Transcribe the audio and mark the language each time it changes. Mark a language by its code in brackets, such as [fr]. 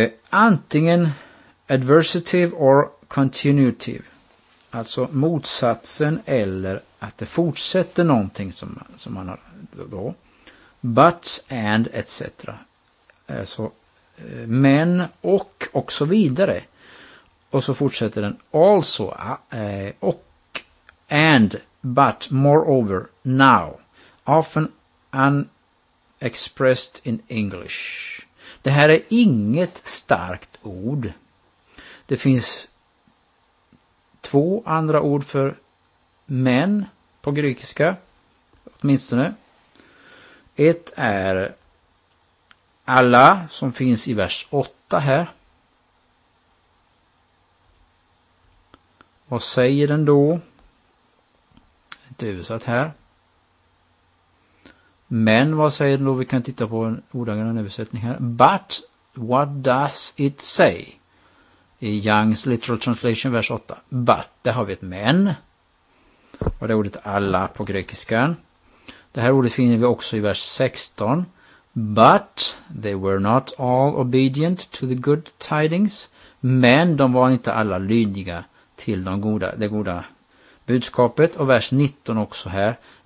[sv] Antingen [en] adversative or continuative, [sv] alltså motsatsen eller att det fortsätter någonting som man har då. [en] But and etc. [sv] Alltså men och så vidare. Och så fortsätter den also och. [en] And, but, moreover, now, often unexpressed in English. [sv] Det här är inget starkt ord. Det finns två andra ord för men på grekiska, åtminstone. Ett är alla som finns i vers 8 här. Vad säger den då? Översatt här. Men vad säger den då? Vi kan titta på en ordagrann översättning här. [en] But what does it say? I Young's Literal Translation vers 8. [sv] But, där har vi ett men. Och det är ordet alla på grekiskan. Det här ordet finner vi också i vers 16. [en] But they were not all obedient to the good tidings. [sv] Men de var inte alla lydiga till det goda budskapet och vers 19 också här.